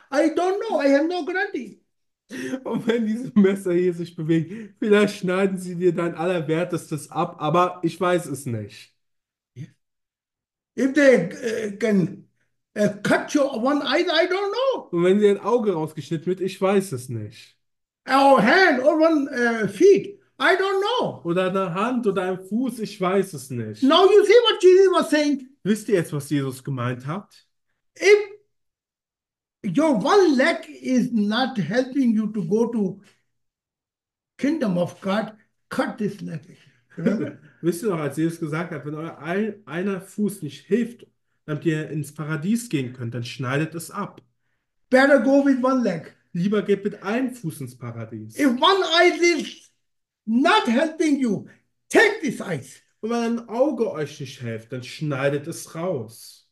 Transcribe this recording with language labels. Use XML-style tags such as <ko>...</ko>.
<en>I don't know. I have no guarantee.</en> <de>Und wenn diese Messer hier sich bewegen, vielleicht schneiden sie dir dein Allerwertestes ab, aber ich weiß es nicht.</de> <en>If they can cut your one eye, I don't</en> <de>Und wenn sie ein Auge rausgeschnitten wird, ich weiß es nicht.</de> <en>know. Our hand or one feet, I don't know.</en> <de>Oder eine Hand oder ein Fuß, ich weiß es nicht.</de> <en>Now you see what Jesus was saying.</en> <de>Wisst ihr jetzt, was Jesus gemeint hat?</de> <en>If your one leg is not helping you to go to kingdom of God, cut this leg. Remember?</en> <de>Wisst ihr noch, als Jesus gesagt hat, wenn euer einer Fuß nicht hilft, damit ihr ins Paradies gehen könnt, dann schneidet es ab.</de> <en>Better go with one leg.</en> <de>Lieber geht mit einem Fuß ins Paradies.</de> <en>If one eye is not helping you, take this eye.</en> <de>Und wenn ein Auge euch nicht hilft, dann schneidet es raus.</de>